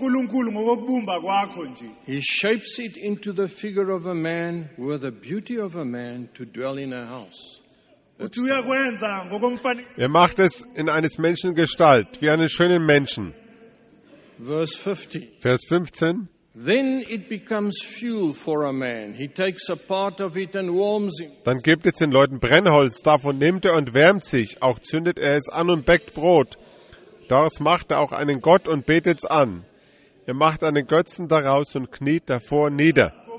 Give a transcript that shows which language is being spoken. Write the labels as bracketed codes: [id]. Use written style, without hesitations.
[en] He shapes it into the figure of a man with the beauty of a man to dwell in a house. [de] Er macht es in eines Menschen Gestalt, wie einen schönen Menschen. Vers 15. [en] Then it becomes fuel for a man. He takes a part of it and warms him. [de] Dann gibt es den Leuten Brennholz, davon nimmt er und wärmt sich, auch zündet er es an und bäckt Brot. Daraus macht er auch einen Gott und betet's an. Er macht einen Götzen daraus und kniet davor nieder.